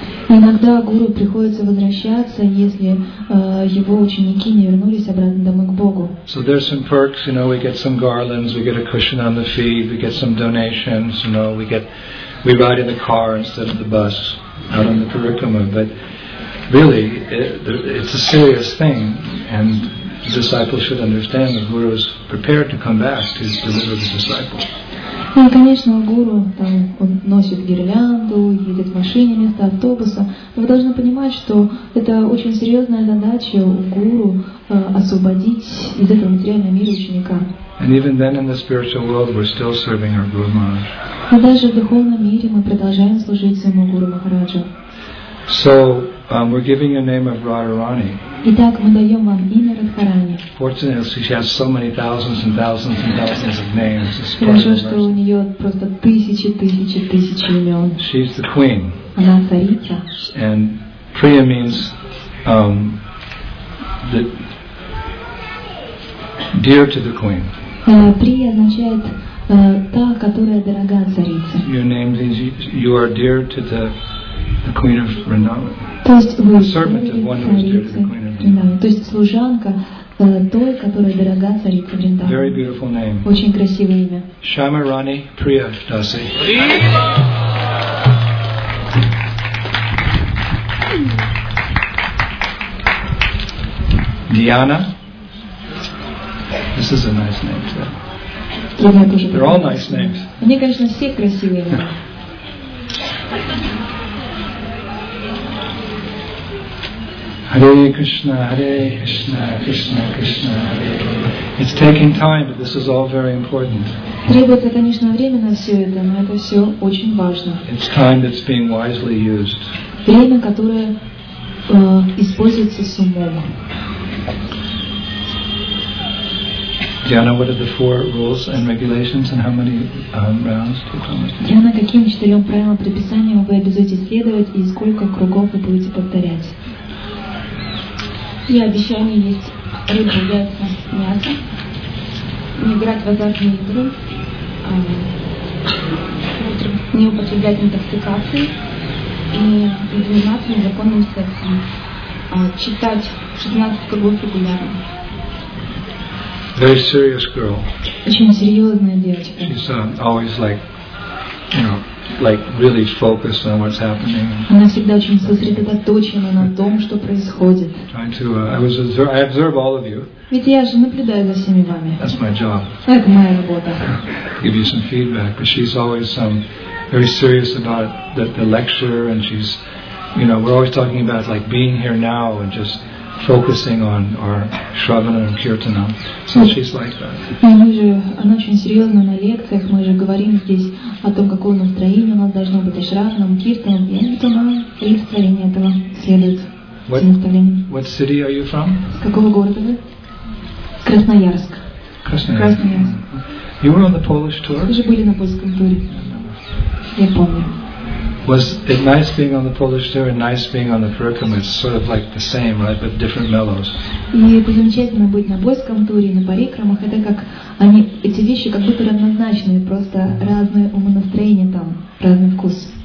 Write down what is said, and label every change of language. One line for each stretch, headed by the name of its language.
Russian: Иногда гуру приходится возвращаться, если его ученики не вернулись обратно домой к Богу.
English: So there's some perks, you know, we get some garlands, we get a cushion on the feet, we get some donations, you know, we ride in the car instead of the bus, out on the parikrama, but really, it's a serious thing, and the disciple should understand the guru is prepared to come back to deliver the disciple.
Russian: Ну, конечно, гуру там он носит гирлянду, едет в машине вместо автобуса. Но вы должны понимать, что это очень серьезная задача у гуру освободить из этого материального мира ученика.
English: And even then, in the spiritual world, we're still serving our Guru Maharaj.
Russian: Но даже в духовном мире мы продолжаем служить своему гуру Махараджу.
English: So we're giving a name of Radharani.
Russian: Итак, мы даем вам имя Радхарани.
English: Fortunately, she has so many thousands and thousands and thousands of names.
Russian: Хорошо, что у нее просто тысячи, тысячи, тысячи имен.
English: She's the queen.
Russian: Она царица.
English: And Priya means the dear to the queen.
Russian: Priya означает та, которая дорога царице.
English: Your name means you are dear to the queen of Vrindavan.
Russian: То есть вы
English: servant of one who is dear to the queen of Vrindavan.
Russian: То есть служанка той, которая дорога царице Вриндаван.
English: Very beautiful name.
Russian: Очень красивое имя.
English: Shyamarani Priya Dasi. Diana. This is a nice name too. They're all nice names.
Russian: Они, конечно, все красивые.
Sanskrit: Hare Krishna, Hare Krishna, Krishna Krishna, Hare.
English: It's taking time, but this is all very important.
Russian: Требуется, конечно, время на все это, но это все очень важно.
English: It's time that's being wisely used.
Russian: Время, которое используется с умом.
English: Diana, what are the four rules and regulations, and how many rounds to come?
Russian: Diana, каким четырем правилам предписания вы обязуетесь следовать и сколько кругов вы будете повторять? И обещание есть рыбу, яйца, мясо, не играть в азартные игры, не употреблять интоксикации и заниматься незаконным сексом, читать 16 кругов регулярно.
English: Very serious girl.
Russian: Очень серьезная девочка.
English: She's always like, you know, like really focused on what's happening.
Russian: Она всегда очень сосредоточена на том, что происходит.
English: Trying to, I observe all of you.
Russian: Ведь я же наблюдаю за всеми вами.
English: That's my job.
Russian: Это моя работа.
English: Give you some feedback, but she's always very serious about the lecture, and she's, you know, we're always talking about like being here now and just focusing on our shravana and kirtana. So she's like that.
Russian: Мы же, она очень серьезна на лекциях. Мы же говорим здесь о том, какое настроение у нас должно быть, о шравнам, киртанам, и она настроение этого следует.
English: What city are you from?
Russian: С какого города вы? Красноярск.
English: Красноярск. You were on the Polish tour?
Russian: Вы же были на польском туре. Я помню.
English: Was it nice being on the Polish tour and nice being on the Purim? It's sort of like the same, right, but different mellows.
Russian: И это замечательно быть на польском туре, на парикрамах. Это как они эти вещи как будто равнозначные, просто разное умонастроение там, разный вкус.